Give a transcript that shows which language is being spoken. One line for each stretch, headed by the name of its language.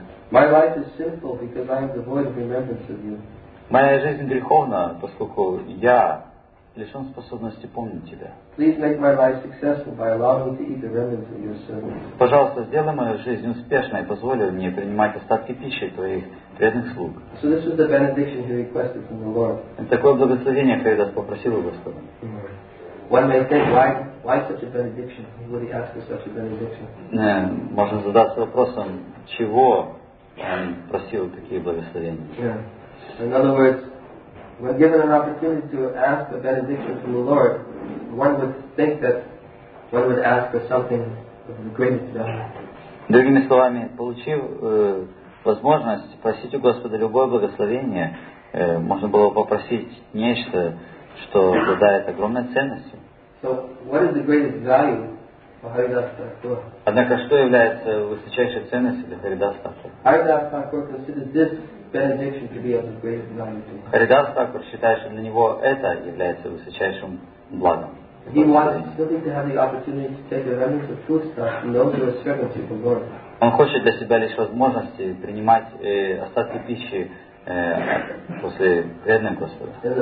English: My life is sinful because I am devoid of remembrance of you.
Russian: Моя жизнь греховна, поскольку я лишен способности помнить тебя.
English: Please make my life successful by allowing me to eat the remnants of your servants.
Russian: Пожалуйста, сделай мою жизнь успешной, позволь мне принимать остатки пищи твоих преданных слуг.
English: So this was the benediction he requested from the Lord.
Russian: Это такое благословение, Харидас попросил у Господа.
English: One may think, why such a benediction? Why would he ask for such a benediction?
Russian: Можно задаться вопросом, чего он просил такие благословения? Yeah.
English: In other words, when given an opportunity to ask a benediction from the Lord, one would think that one would ask for something of the greatest value.
Russian: Другими словами, получив возможность просить у Господа любое благословение, можно было попросить нечто, что обладает огромной ценностью.
English: So, what is the greatest value for Haridas Thakur?
Russian: Однако, что является высочайшей ценностью для Харидаса Такура?
English: Haridas Thakur considered this benediction to be of the greatest value to him.
Russian: Харидас Такур считает, что для него это является высочайшим благом.
English: He wants to still have the opportunity to take the remnants of foodstuffs from those who are servants of the Lord.
Russian: Он хочет для себя лишь возможности принимать остатки пищи после преданных Господа.